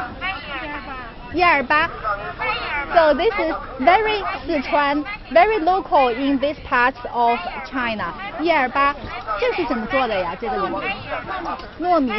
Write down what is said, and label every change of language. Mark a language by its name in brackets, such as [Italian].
[Chinese] 老板，这个叫什么？叶尔巴。叶尔巴。 [English] So this is very Sichuan, very local in this part of China. [Chinese] 叶尔巴，这是怎么做的呀？这个里面糯米。